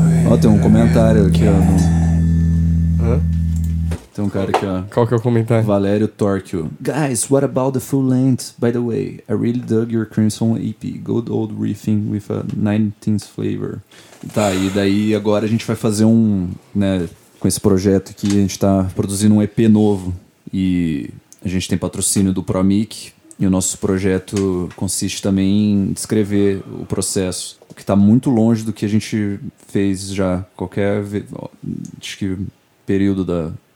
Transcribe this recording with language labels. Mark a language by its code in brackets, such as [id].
[pt] Ó, tem um comentário aqui, ó. Hã? Tem um cara aqui, ó. Qual que é o comentário? Valério Torquio. [en] Guys, what about the full length? By the way, I really dug your Crimson EP. Good old riffing with a 19th flavor. [pt] Tá, e daí agora a gente vai fazer um, né, com esse projeto aqui, a gente tá produzindo um EP novo. E a gente tem patrocínio do Promic, e o nosso projeto consiste também em descrever o processo, que tá muito longe do que a gente fez já, qualquer, acho que, período da...